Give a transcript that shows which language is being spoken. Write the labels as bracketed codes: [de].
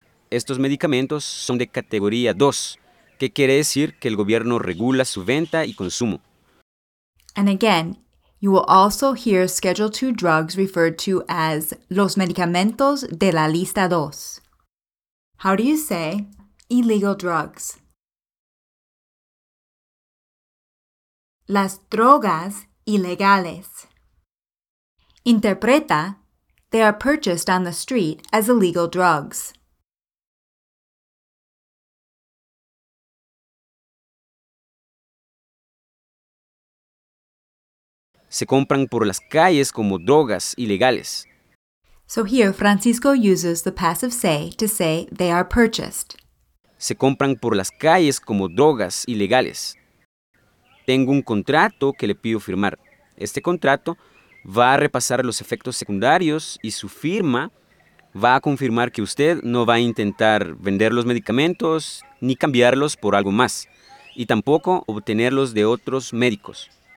[es] Estos medicamentos son de categoría 2, que quiere decir que el gobierno regula su venta y consumo. [en] And again, you will also hear Schedule 2 drugs referred to as [es] los medicamentos de la lista 2. [en] How do you say illegal drugs? [es] Las drogas ilegales. Interpreta, [en] they are purchased on the street as illegal drugs. [es] Se compran por las calles como drogas ilegales. [en] So here, Francisco uses the passive say to say they are purchased. [es] Se compran por las calles como drogas ilegales. Tengo un contrato que le pido firmar. Este contrato va a repasar los efectos secundarios y su firma va a confirmar que usted no va a intentar vender los medicamentos ni cambiarlos por algo más, y tampoco obtenerlos de otros médicos.